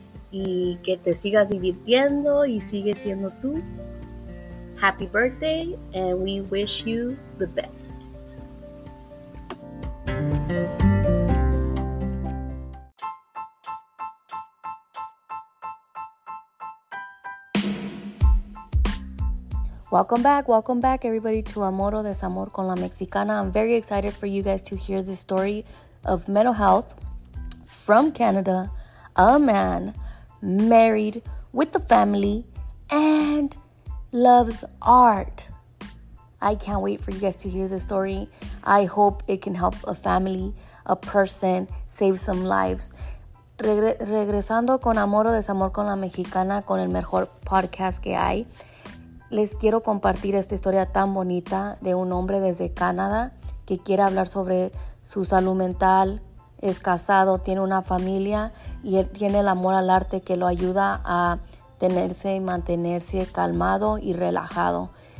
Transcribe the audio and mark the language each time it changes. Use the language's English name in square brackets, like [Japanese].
[Spanish] Y que te sigas divirtiendo y sigue siendo tú. [English] Happy birthday, and we wish you the best. Welcome back, everybody, to Amor o Desamor con la Mexicana. I'm very excited for you guys to hear the story of mental health from Canada, a man married with a family and loves art. I can't wait for you guys to hear the story. I hope it can help a family, a person, save some lives. [Spanish] Regresando con Amor o Desamor con la Mexicana, con el mejor podcast que hay. Les quiero compartir esta historia tan bonita de un hombre desde Canadá que quiere hablar sobre su salud mental, es casado, tiene una familia y él tiene el amor al arte que lo ayuda a tenerse y mantenerse calmado y relajado.